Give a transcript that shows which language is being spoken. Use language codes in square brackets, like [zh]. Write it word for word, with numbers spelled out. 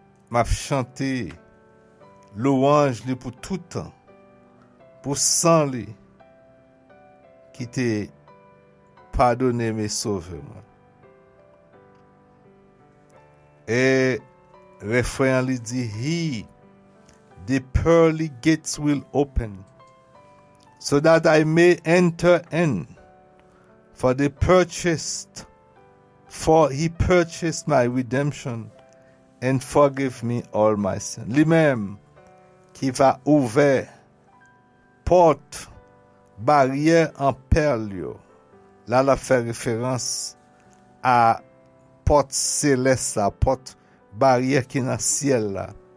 [ht] M'a chanté louange li pour tout temps, pour sang li qui t'est pardonné mes sauvements. Et refrain li dit, [en] he, the pearly gates will open, so that I may enter in, for they purchased, for he purchased my redemption, and forgive me all my sins. [ht] Lui-même qui va ouvrir porte, barrière en perle. Là, la fait référence à porte céleste, à porte barrière qui est dans le ciel. Là.